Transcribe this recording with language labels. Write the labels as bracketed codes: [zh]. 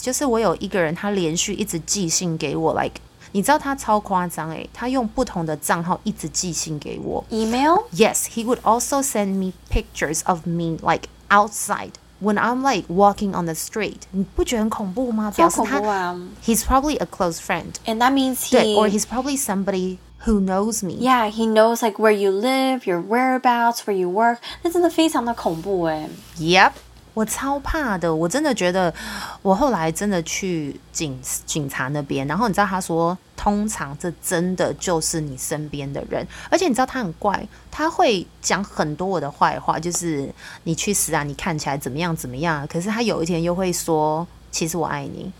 [zh] 就是我有一个人他连续一直寄信给我 like, 你知道他超夸张耶，他用不同的账号一直寄信给我。 [en] Email? Yes, he would also send me pictures of me like outside when I'm like walking on the street. [zh] 你不觉得很恐怖吗？超恐怖啊。 [en] He's probably a close friend. And that means he... 对, or he's probably somebody... Who knows me? Yeah, he knows like where you live, your whereabouts, where you work. [zh] 那真的非常的恐怖耶。 Yep, 我超怕的，我真的觉得我后来真的去 警察那边，然后你知道他说通常这真的就是你身边的人，而且你知道他很怪，他会讲很多我的坏话，就是你去死啊，你看起来怎么样怎么样，可是他有一天又会说其实我爱你。